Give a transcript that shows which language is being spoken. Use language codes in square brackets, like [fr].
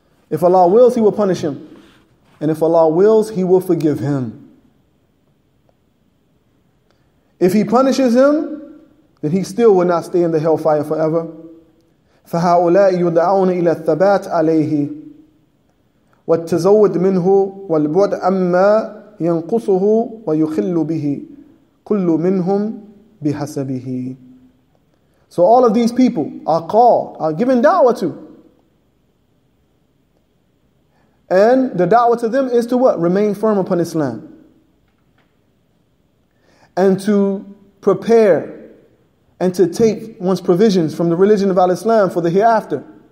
[en] If Allah wills, He will punish him. And if Allah wills, He will forgive him. If He punishes him, then he still will not stay in the hellfire forever. [ar] فَهَؤُلَاءِ يُدْعَوْنَ إِلَى الثَّبَاتِ عَلَيْهِ والتزود منه والبعد أما ينقصه ويخل به كل منهم بحسبه. [en] So all of these people are called, are given da'wah to. And the da'wah to them is to what? Remain firm upon Islam. And to prepare and to take one's provisions from the religion of Al-Islam for the hereafter.